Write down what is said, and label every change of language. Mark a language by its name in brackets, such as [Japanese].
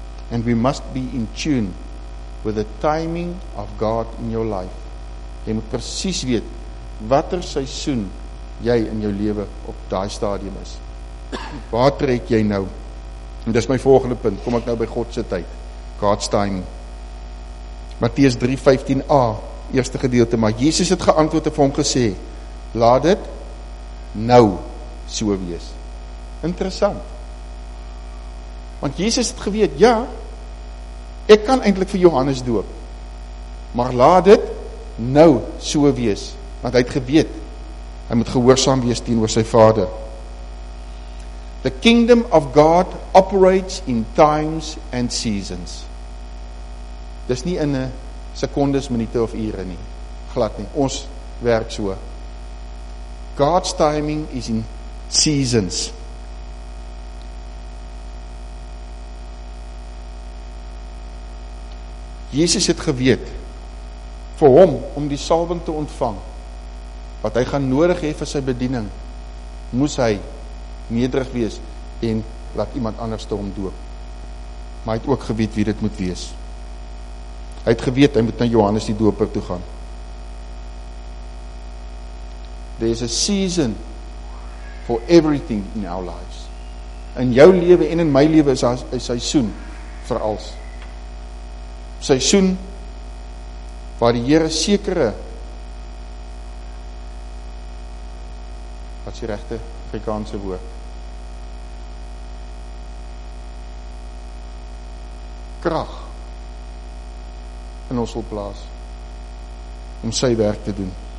[English] And we must be in tune with the timing of God in your life. [Afrikaans] Jy moet precies weet watter seisoen jy in jou lewe op daai stadium is. Waar trek jy nou? En dis my volgende punt. Kom ek nou by God se tyd. [English] God's timing. [Afrikaans] Matteus 3:15a, eerste gedeelte, maar Jesus het geantwoord en vir hom gesê: "Laat dit nou so wees." Interessant. Want Jesus het geweet, ja, ek kan eintlik vir Johannes doop. Maar laat dit nou so wees, want hy het geweet, hy moet gehoorsaam wees teenoor sy vader. [English] The kingdom of God operates in times and seasons. [Afrikaans] Dis nie in 'n sekondes, minute of ure nie, glad nie, ons werk so. [English] God's timing is in seasons. [Afrikaans] Jesus het geweet, vir hom, om die salwing te ontvang, wat hy gaan nodig hê vir sy bediening, moes hy nederig wees, en laat iemand anders te hom doop. Maar hy het ook geweet wie dit moet wees. Hy het geweet, hy moet na Johannes die dooper toe gaan. [English] There is a season for everything in our lives. [Afrikaans] In jou lewe en in my lewe is daar 'n seisoen vir alles. Seisoen waar die Here sekere, wat is die regte Afrikaanse woord, krag in ons wil plaas om sy werk te doen.